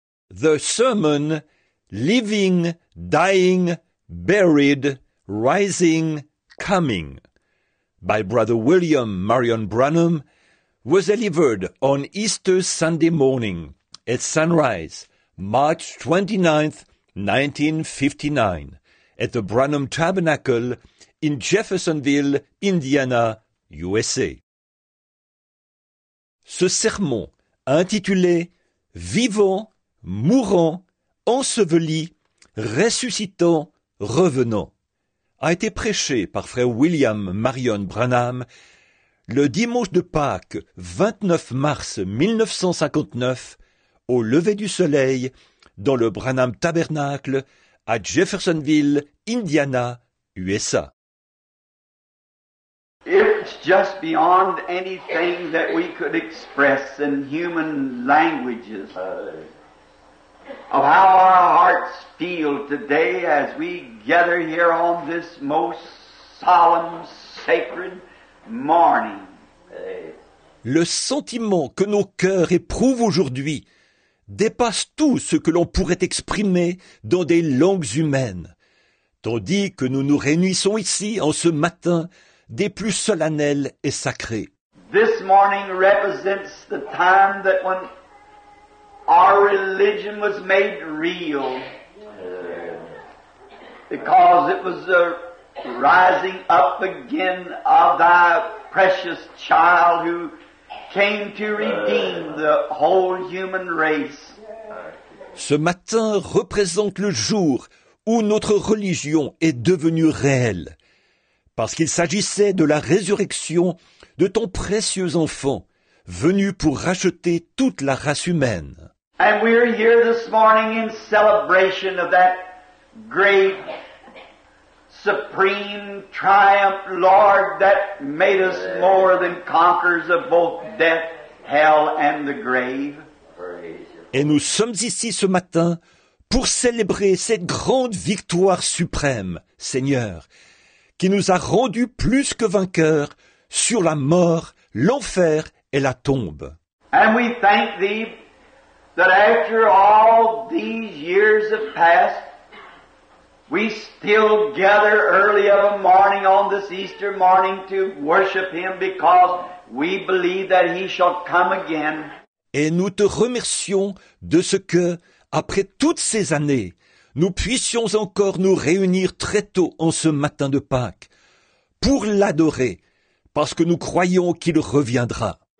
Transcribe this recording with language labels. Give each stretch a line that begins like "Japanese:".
English: the sermon Living, Dying, Buried, Rising, Coming by Brother William Marion Branham was delivered on Easter Sunday morning at sunrise, March 29, 1959, at the Branham Tabernacle in Jeffersonville, Indiana, USA.
French: Ce sermon intitulé « Vivant, mourant, enseveli, ressuscitant, revenant » a été prêché par Frère William Marion Branham le dimanche de Pâques 29 mars 1959 au lever du soleil dans le Branham Tabernacle à Jeffersonville, Indiana, USA.
English: It's just beyond anything that we could express in human languages of how our hearts feel today as we gather here on this most solemn, sacred morning.
French: Le sentiment que nos cœurs éprouvent aujourd'hui dépasse tout ce que l'on pourrait exprimer dans des langues humaines, tandis que nous nous réunissons ici en ce matin des plus solennels et sacrés.
English: This morning represents the time that when our religion was made real, because it was the rising up again of thy precious child who came to redeem the whole human race.
French: Ce matin représente le jour où notre religion est devenue réelle, parce qu'il s'agissait de la résurrection de ton précieux enfant, venu pour racheter toute la race humaine.
English: And we're here this morning in celebration of that great, supreme triumph, Lord, that made us more than conquerors of both death, hell, and the grave.
French: Et nous sommes ici ce matin pour célébrer cette grande victoire suprême, Seigneur, qui nous a rendus plus que vainqueurs sur la mort, l'enfer et la tombe.
English: And we thank thee that after all these years have passed, we still gather early of a morning on this Easter morning to worship him because we believe that he shall come again.
French: Et nous te remercions de ce que, après toutes ces années, nous puissions encore nous réunir très tôt en ce matin de Pâques pour l'adorer, parce que nous croyons qu'il reviendra.